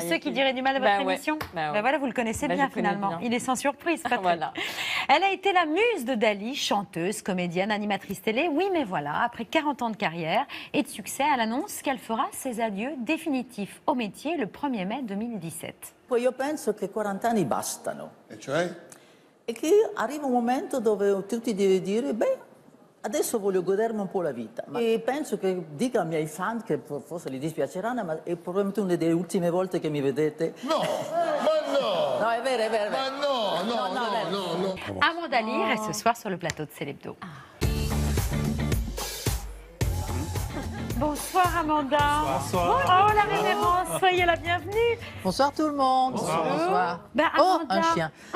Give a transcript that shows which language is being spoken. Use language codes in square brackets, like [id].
[fr] De ceux qui diraient du mal à votre émission. Ben voilà, vous le connaissez bien finalement, il est sans surprise Patrick. Voilà. Elle a été la muse de Dali, chanteuse, comédienne, animatrice télé. Oui, mais voilà, après 40 ans de carrière et de succès, elle annonce qu'elle fera ses adieux définitifs au métier le 1er mai 2017. [it] Poi io penso che 40 anni bastano. E cioè? E che arriva un momento dove tu ti devi dire, adesso voglio godermi un po' la vita. Ma... E penso che dica ai miei fan che forse gli dispiaceranno, ma è probabilmente una delle ultime volte che mi vedete. No, ma no! No, è vero, è vero. È vero. Ma no. [fr] Amon Dali reste ce soir sur le plateau de Célébdo. Bonsoir Amanda. Bonsoir. Oh la révérence, soyez la bienvenue. Bonsoir tout le monde. Bonsoir. Bah, oh, un chien.